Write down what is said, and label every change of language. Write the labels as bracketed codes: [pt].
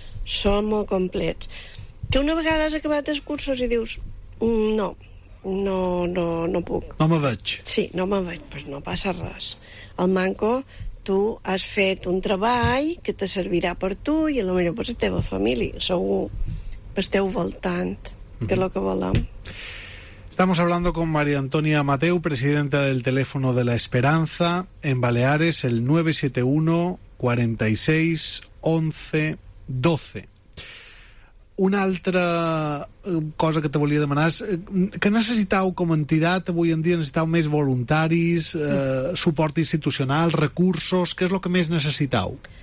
[ca] Són molt complets. Que una vegada has acabat els cursos i dius no puc. No me veig. Sí, no me veig, però no passa res. El manco, tu has fet un treball que te servirà per tu i a lo millor per la teva família, segur. Esteu voltant, que és el que volem. [es] Estamos hablando con María Antonia Mateu, presidenta del Teléfono de la Esperanza, en Baleares, el 971-46-11-12. [ca] Una altra cosa que te volia demanar és que necessitau com a entitat, avui en dia necessitau més voluntaris, suport institucional, recursos, què és el que més necessitau?